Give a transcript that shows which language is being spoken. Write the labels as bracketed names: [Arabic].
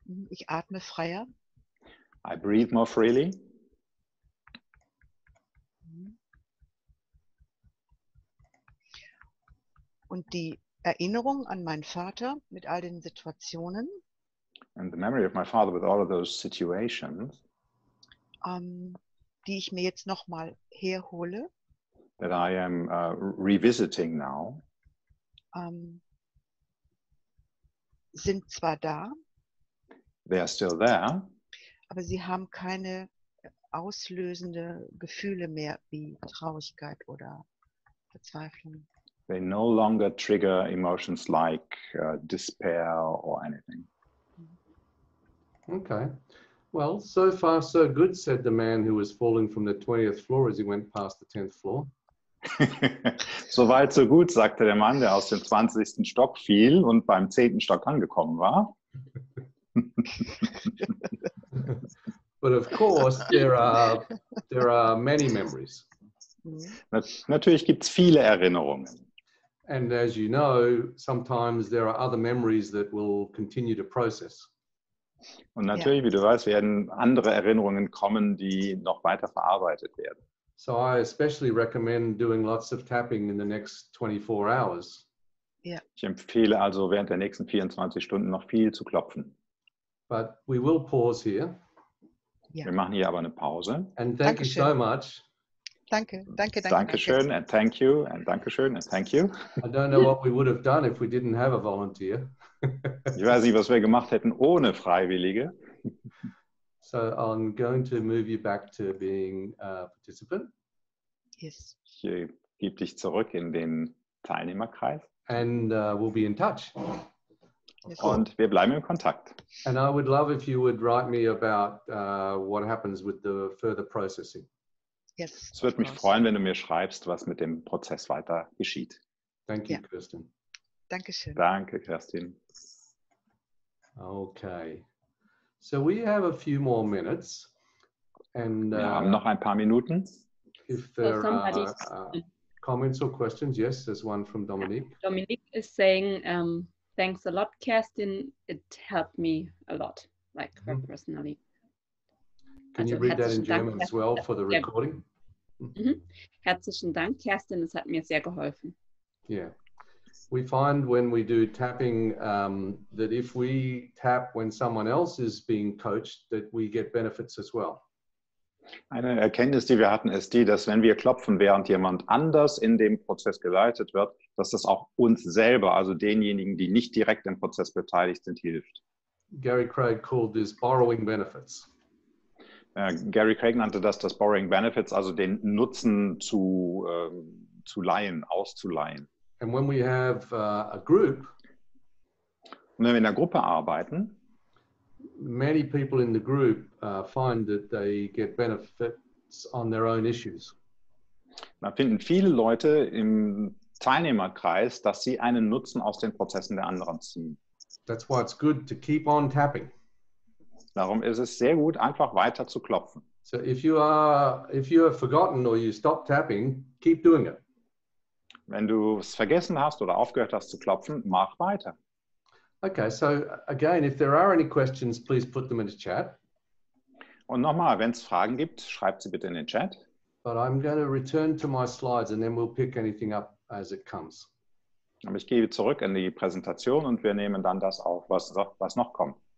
[German] Ich atme freier. [English] I breathe more freely. [German] Und die Erinnerung an meinen Vater mit all den Situationen. [English] and the memory of my father with all of those situations, [German] die ich mir jetzt noch mal herhole, [English] that I am revisiting now, [German] sind zwar da, [English] they are still there, [German] aber sie haben keine auslösende Gefühle mehr wie Traurigkeit oder Verzweiflung. [English] They no longer trigger emotions like despair or anything. Okay. Well, so far so good, said the man who was falling from the 20th floor as he went past the 10th floor. [German] So weit, so gut, sagte der Mann, der aus dem 20. Stock fiel und beim 10. Stock angekommen war. [English] But of course, there are many memories. [German] Natürlich gibt's viele Erinnerungen. [English] And as you know, sometimes there are other memories that will continue to process. [German] Und natürlich, wie du weißt, werden andere Erinnerungen kommen, die noch weiter verarbeitet werden. [English] So I especially recommend doing lots of tapping in the next 24 hours. Yeah. [German] Ich empfehle also, während der nächsten 24 Stunden noch viel zu klopfen. [English] But we will pause here. [German] Yeah. Wir machen hier aber eine Pause. [English] And thank you so much. [German] Danke. [English] And thank you. And dankeschön and thank you. I don't know what we would have done if we didn't have a volunteer. [German] Ich weiß nicht, was wir gemacht hätten ohne Freiwillige. [English] So I'm going to move you back to being a participant. Yes. [German] Ich gebe dich zurück in den Teilnehmerkreis. [English] And we'll be in touch. [German] Und wir bleiben in Kontakt. [English] And I would love if you would write me about what happens with the further processing. Yes. [German] Es würde mich freuen, wenn du mir schreibst, was mit dem Prozess weiter geschieht. [English] Thank you, Kirsten. [German] Dankeschön. Danke, Kirsten. [English] Okay. So we have a few more minutes. [German] And, wir haben noch ein paar Minuten. [English] If there are comments or questions, yes, there's one from Dominique. Dominique is saying, thanks a lot, Kirsten. It helped me a lot, like her personally. Can you read that in German as well for the recording? [German] Herzlichen Dank, Kirsten. Es hat mir sehr geholfen. [English] Yeah. We find when we do tapping that if we tap when someone else is being coached, that we get benefits as well. [German] Eine Erkenntnis, die wir hatten, ist die, dass wenn wir klopfen, während jemand anders in dem Prozess geleitet wird, dass das auch uns selber, also denjenigen, die nicht direkt im Prozess beteiligt sind, hilft. [English] Gary Craig called this borrowing benefits. [German] Gary Craig nannte das borrowing benefits, also den Nutzen zu leihen, auszuleihen. [English] And when we have a group, [German] und wenn wir in einer Gruppe arbeiten, [English] many people in the group find that they get benefits on their own issues. [German] Da finden viele Leute im Teilnehmerkreis, dass sie einen Nutzen aus den Prozessen der anderen ziehen. [English] That's why it's good to keep on tapping. [German] Darum ist es sehr gut, einfach weiter zu klopfen. [English] So if you have forgotten or you stop tapping, keep doing it. [German] Wenn du es vergessen hast oder aufgehört hast zu klopfen, mach weiter. [English] Okay, so again, if there are any questions, please put them in the chat. [German] Und nochmal, wenn es Fragen gibt, schreibt sie bitte in den Chat. [English] But I'm going to return to my slides and then we'll pick anything up as it comes. [German] Aber ich gehe zurück in die Präsentation und wir nehmen dann das auf, was noch kommt.